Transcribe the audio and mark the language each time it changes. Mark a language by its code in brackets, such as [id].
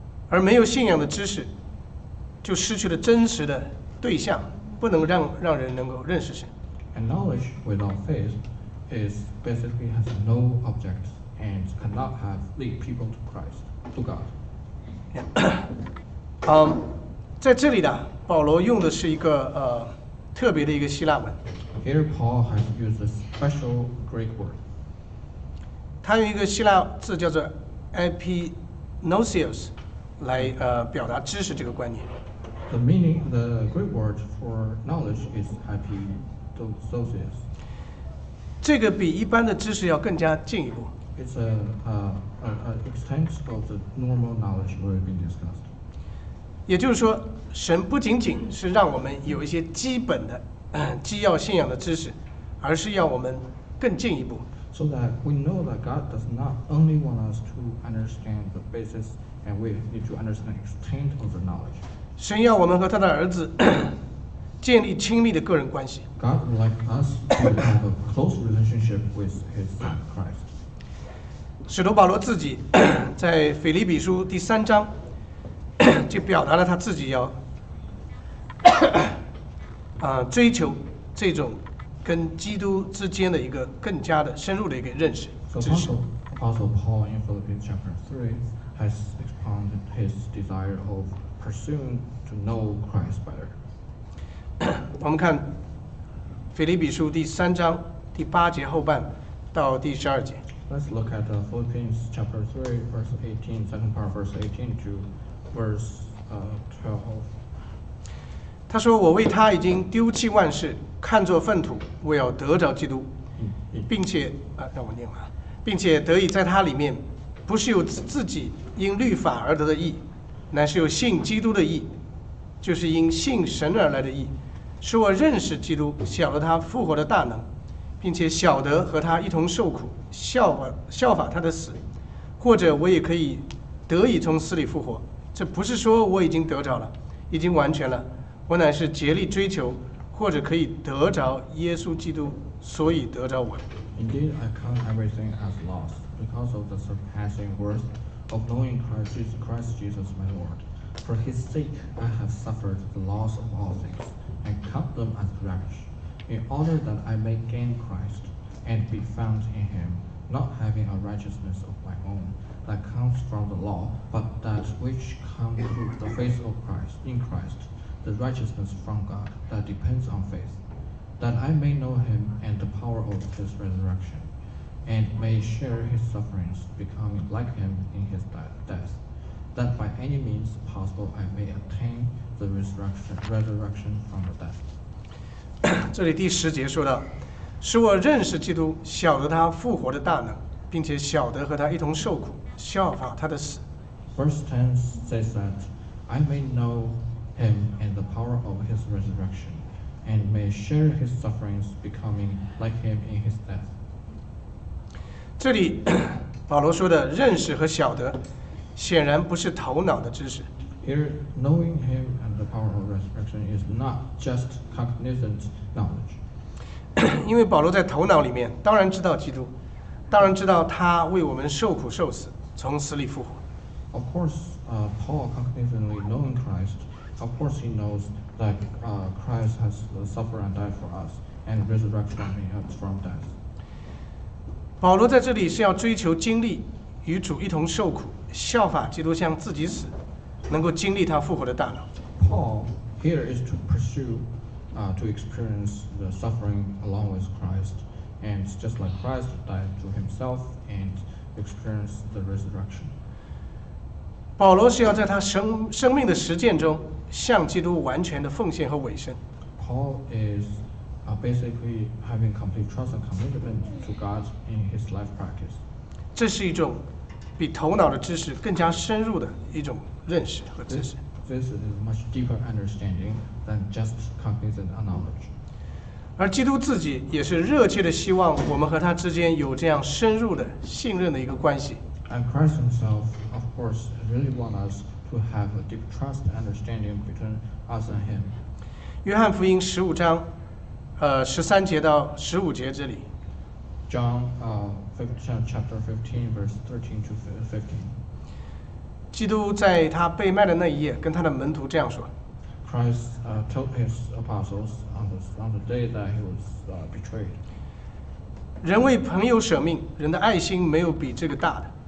[zh] 而没有信仰的知识，就失去了真实的对象，不能让人能够认识神。 [en] And knowledge without faith. Is basically has no object and cannot have lead people to Christ, to God. Yeah. [zh] 在这里呢，保罗用的是一个特别的一个希腊文。 [en] Here Paul has used a special Greek word. [zh] 他用一个希腊字叫做 epignosios 来表达知识这个观念。 [en] The meaning, the Greek word for knowledge is epignosios. [zh] 这个比一般的知识要更加进一步。 [en] It's an extent of the normal knowledge we've been discussed. [zh] 也就是说，神不仅仅是让我们有一些基本的既要信仰的知识，而是要我们更进一步。 [en] So that we know that God does not only want us to understand the basis, and we need to understand the extent of the knowledge. [zh] 神要我们和他的儿子建立亲密的个人关系。 [en] God would like us to have a close relationship with His Son Christ. [zh] 使徒保罗自己在腓立比书第三章就表达了他自己要追求这种跟基督之间的一个更加的深入的一个认识。 [en] Apostle Paul in Philippians chapter 3 has expounded his desire of pursuing to know Christ better. [zh] 我们看腓立比书第三章第八节后半到第十二节。 [en] Let's look at Philippians chapter 3 verse 18, second part verse 18 to verse 12. [zh] 他说我为他已经丢弃万事看作粪土我要得着基督并且、让我念完并且得以在他里面不是由自己因律法而得的义乃是由信基督的义就是因信神而来的义使我认识基督晓得他复活的大能并且晓得和他一同受苦效法他的死或者我也可以得以从死里复活这不是说我已经得着了已经完全了我乃是竭力追求，或者可以得着耶稣基督，所以得着我。 [en] Indeed, I count everything as loss because of the surpassing worth of knowing Christ Jesus my Lord. For His sake, I have suffered the loss of all things, and count them as rubbish, in order that I may gain Christ and be found in Him, not having a righteousness of my own. That comes from the law, but that which comes through the faith of Christ in Christ, the righteousness from God that depends on faith, that I may know Him and the power of His resurrection, and may share His sufferings, becoming like Him in His death, that by any means possible I may attain the resurrection from the dead. [zh] 这里第十节说到，使我认识基督，晓得他复活的大能，并且晓得和他一同受苦。效法他的死。 [en] Verse 10 says that I may know him and the power of his resurrection, and may share his sufferings, becoming like him in his death. [zh] 这里保罗说的认识和晓得，显然不是头脑的知识。 [en] Here, knowing him and the power of resurrection is not just cognizant knowledge. [zh] 因为保罗在头脑里面当然知道基督，当然知道他为我们受苦受死。从死里复活。 [en] Of course, Paul cognizantly knowing Christ, of course he knows that Christ has suffered and died for us and resurrected him from death. [zh] 保罗在这里是要追求经历与主一同受苦，效法基督像自己死，能够经历他复活的大能。 [en] Paul here is to pursue to experience the suffering along with Christ, and just like Christ died to himself and. Experience the resurrection. [zh] 保罗是要在他生命的实践中向基督完全的奉献和委身。 [en] Paul is basically having complete trust and commitment to God in his life practice. [zh] 这是一种比头脑的知识更加深入的一种认识和知识。 [en] This is a much deeper understanding than just cognizant knowledge. [zh] 而基督自己也是热切的希望我们和他之间有这样深入的信任的一个关系。 [en] And Christ himself, of course, really wants us to have a deep trust and understanding between us and him. [zh] 约翰福音十五章，十三节到十五节这里。 [en] John, chapter 15, verse 13 to 15. [zh] 基督在他被卖的那一夜，跟他的门徒这样说。 [en] Christ told his apostles on the day that he was betrayed. [zh] 人为朋友舍命，人的爱心没有比这个大的。